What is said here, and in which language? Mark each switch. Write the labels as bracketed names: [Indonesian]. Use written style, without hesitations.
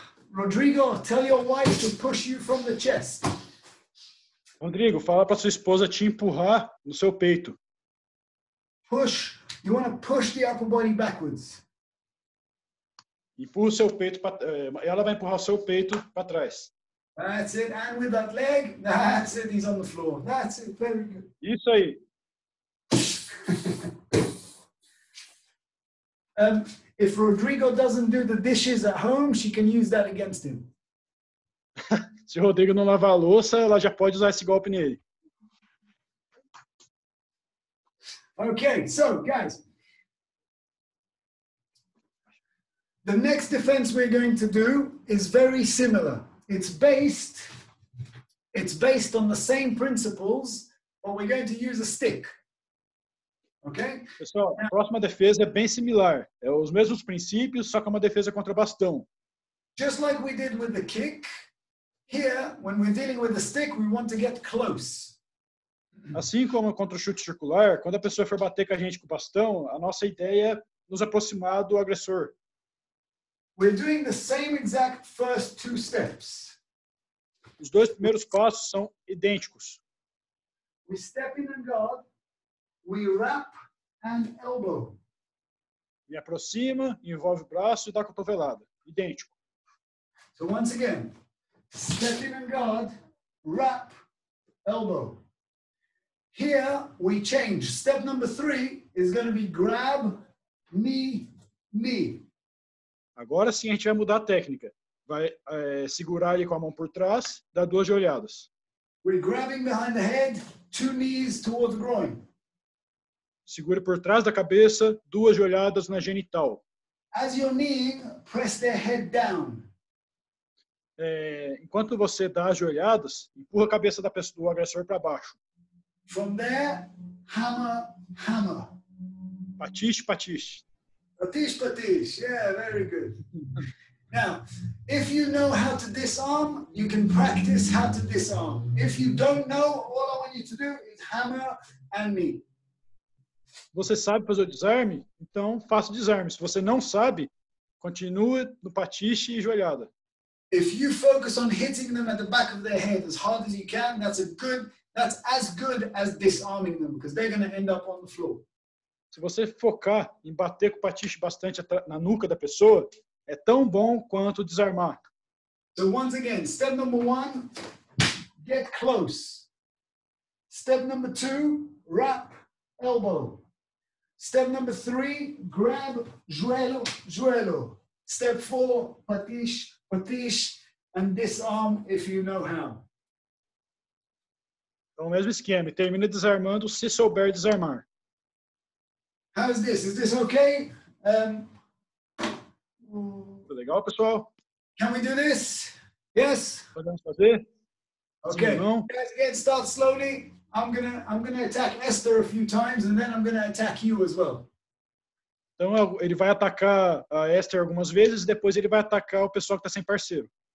[English] Rodrigo, tell your wife to push you from the chest. [Portuguese] Rodrigo, fala para sua esposa te empurrar no seu peito. [English] Push. You want to push the upper body backwards. [Portuguese] Empurra o seu peito para. Ela vai empurrar o seu peito para trás. [English] That's it. And with that leg, that's it. He's on the floor. That's it. Very good. [Portuguese] Isso aí. [English] If Rodrigo doesn't do the dishes at home, she can use that against him. [Portuguese] Se Rodrigo não lavar a louça, ela já pode usar esse golpe nele. [English] Okay, so guys, the next defense we're going to do is very similar. It's based on the same principles, but we're going to use a stick. Okay? [Portuguese] Pessoal, a próxima defesa é bem similar. É os mesmos princípios, só que é uma defesa contra bastão. [English] Just like we did with the kick, here, when we're dealing with the stick, we want to get close. [Portuguese] Assim como contra o chute circular, quando a pessoa for bater com a gente com o bastão, a nossa ideia é nos aproximar do agressor. [English] We're doing the same exact first two steps. [Portuguese] Os dois primeiros passos são idênticos. [English] We step in and guard, we wrap and elbow. [Portuguese] Me aproxima, envolve o braço e dá cotovelada. Idêntico. [English] So once again, step in and guard, wrap, elbow. Here we change. Step number three is going to be grab me, me. [Portuguese] Agora sim a gente vai mudar a técnica. Vai segurar ele com a mão por trás, dá duas joelhadas. [English] We're grabbing behind the head, two knees towards the groin. [Portuguese] Segure por trás da cabeça, duas joelhadas na genital. [English] As you knee, press their head down. [Portuguese] Enquanto você dá as joelhadas, empurra a cabeça da pessoa, do agressor para baixo. [English] From there, hammer, hammer. [Portuguese] Patiche, patiche. [English] Patiche, patiche. Yeah, very good. Now, if you know how to disarm, you can practice how to disarm. If you don't know, all I want you to do is hammer and knee. [Portuguese] Você sabe fazer o desarme? Então, faça o desarme. Se você não sabe, continue no patiche e joelhada. [English] If you focus on hitting them at the back of their head as hard as you can, that's as good as disarming them, because they're going to end up on the floor. [Portuguese] Se você focar em bater com o patiche bastante na nuca da pessoa, é tão bom quanto desarmar. [English] So once again, step number one, get close. Step number two, wrap elbow. Step number three, grab [Portuguese] joelho, joelho. [English] Step four, patiche, patiche, and disarm if you know how. [Portuguese] Então, mesmo esquema, termina desarmando se souber desarmar. [English] How's this? Is this okay? [Portuguese] Legal, pessoal? [English] Can we do this? Yes? [Portuguese] Podemos fazer? [English] Okay. Guys, again, start slowly. I'm gonna attack Esther a few times and then I'm gonna attack you as well. [Portuguese] Então ele vai atacar a Esther algumas vezes e depois ele vai atacar o pessoal que está sem parceiro.